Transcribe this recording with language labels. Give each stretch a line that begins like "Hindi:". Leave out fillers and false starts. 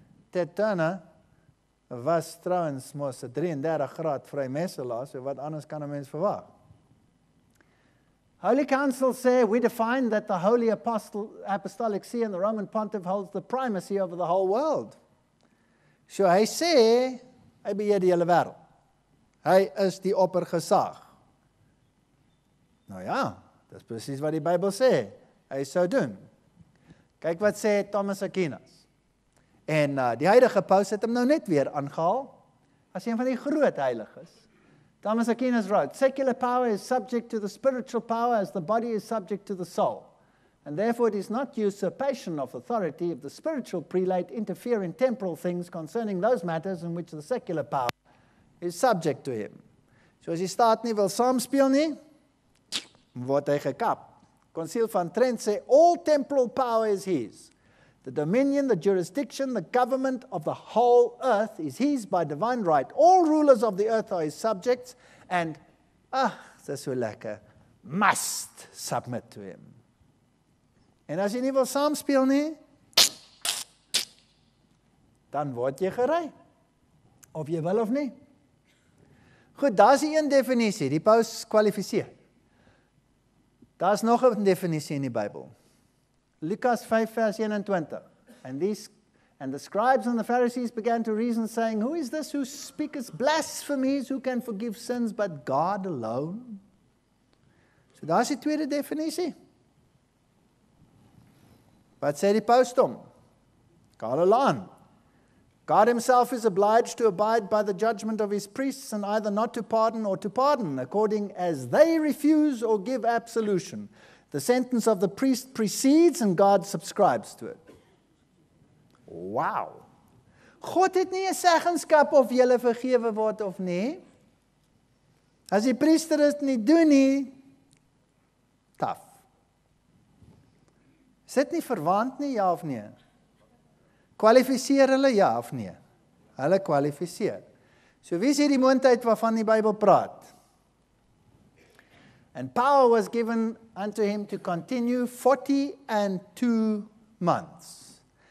Afrikaans: Ted Turner was trouwens mos 33 graad vry messelaar, so wat anders kan een mens verwag.
English: Holy Council say, we define that the Holy Apostolic See and the Roman Pontiff holds the primacy over the whole world.
Afrikaans: So hy sê, hy beheer die hele wereld. Hy is die oppergesag. Nou ja, dis precies wat die Bybel sê. Hy sou doen. Kyk wat sê Thomas Aquinas. En die huidige paus het hem nou net weer aangehaal, as een van die groot heiliges.
English: Thomas Aquinas wrote, secular power is subject to the spiritual power as the body is subject to the soul. And therefore it is not usurpation of authority if the spiritual prelate interfere in temporal things concerning those matters in which the secular power is subject to him.
Afrikaans: So as die staat nie wil saamspeel nie, word hy gekap. Concile van Trent sê,
English: all temporal power is his. The dominion, the jurisdiction, the government of the whole earth is his by divine right. All rulers of the earth are his subjects and, ah,
Afrikaans: dis so lekker,
English: must submit to him.
Afrikaans: En as jy nie wil saamspeel nie, dan word jy gery. Of jy wil of nie. Goed, daar is die een definisie, die paus kwalificeer. Daar is nog een definisie in die Bybel. Lukas 5 vers 21.
English: And the scribes and the Pharisees began to reason, saying, who is this who speaks blasphemies, who can forgive sins but God alone?
Afrikaans: So daar is die tweede definisie. Wat sê die paus dan?
English: God alone. God himself is obliged to abide by the judgment of his priests and either not to pardon or to pardon, according as they refuse or give absolution. The sentence of the priest precedes and God subscribes to it. Wow!
Afrikaans: God het nie 'n seggenskap of jylle vergewe word of nie. As die priester het nie doen nie, taf. Is dit nie verwant nie, ja of nie? Kwalificeer hulle ja of nee? Hulle kwalificeer. So wie is hier die moontheid waarvan die Bybel praat?
English: And power was given unto him to continue 42 months.